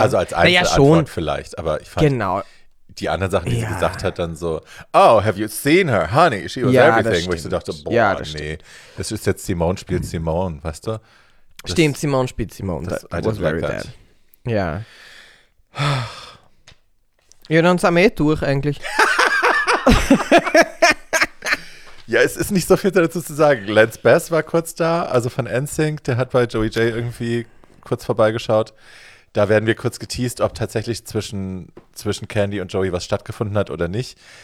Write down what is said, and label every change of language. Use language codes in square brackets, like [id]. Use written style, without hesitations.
[de] Also als einzige Antwort vielleicht, aber ich fand. Genau. Die anderen Sachen, die sie gesagt hat, dann so, [en] oh, have you seen her, honey, she was everything, [de] wo ich so dachte, boah, das ist jetzt Simone spielt Simone, weißt du? [en] Simone [de] spielt [en] Simone, that was very bad. [de] Ja. Ja, dann sind wir durch eigentlich. Ja, es ist nicht so viel dazu zu sagen. Lance Bass war kurz da, also von NSYNC, der hat bei Joey J irgendwie kurz vorbeigeschaut. Da werden wir kurz geteased, ob tatsächlich zwischen Candy und Joey was stattgefunden hat oder nicht.